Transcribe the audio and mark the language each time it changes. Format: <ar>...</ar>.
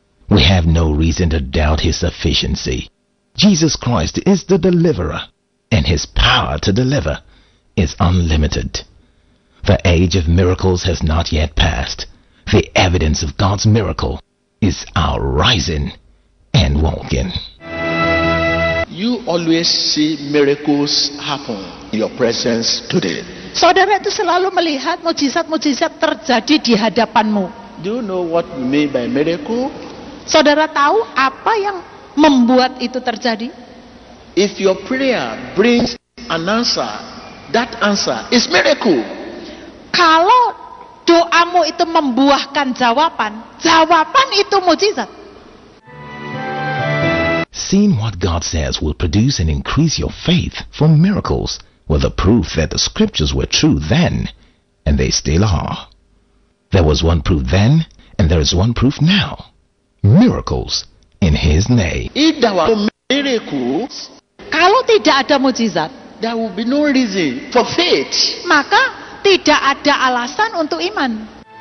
<en>We have no reason to doubt His sufficiency. Jesus Christ is the deliverer, and His power to deliver is unlimited. The age of miracles has not yet passed. The evidence of God's miracle is our rising and walking. You always see miracles happen in your presence today.</en> <id>Saudara itu selalu melihat mujizat-mujizat terjadi di hadapanmu.</id> <en>Do you know what we mean by miracle?</en> <id>Saudara tahu apa yang membuat itu terjadi?</id> <en>If your prayer brings an answer, that answer is miracle.</en> <id>Kalau doamu itu membuahkan jawaban, jawaban itu mujizat.</id> <en>Seeing what God says will produce and increase your faith for miracles were the proof that the scriptures were true then, and they still are. There was one proof then, and there is one proof now. Miracles in His name. If there were no miracles,</en> <id>kalau tidak ada mujizat,</id> <en>there would be no reason for faith.</en> <id>Maka tidak ada alasan untuk iman.</id>